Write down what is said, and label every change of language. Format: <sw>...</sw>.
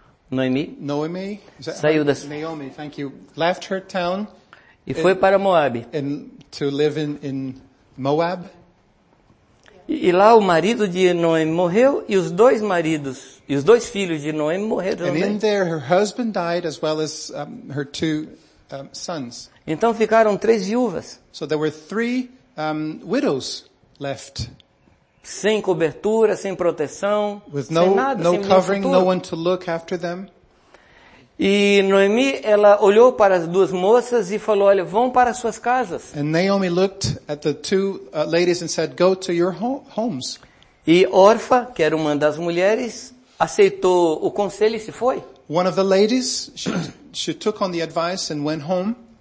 <pt>Noemi? Saiu da sua...</pt> <en>Naomi, thank you. Left her town.</en> <pt>E foi para Moab.</pt> <en>And to live in Moab.</en> <pt>E lá o marido de Noemi morreu e os dois maridos e os dois filhos de Noemi morreram também.</pt> <en>And in there her husband died as well as her two sons.</en> <pt>Então ficaram três viúvas.</pt> <en>So there were three widows left.</en> <pt>Sem cobertura, sem proteção,</pt> <en>with</en> <pt>sem nada,</pt> <en>no</en> <pt>sem</pt> <en>covering,</en> <pt>futuro.</pt> <en>No one to look after them.</en> <pt>E Noemi, ela olhou para as duas moças e falou: olha, vão para suas casas.</pt> <en>And Naomi looked at the two ladies and said, go to your homes.</en> <pt>E Orfa, que era uma das mulheres, aceitou o conselho e se foi.</pt> <en>One of the ladies, she took on the advice and went home.</en>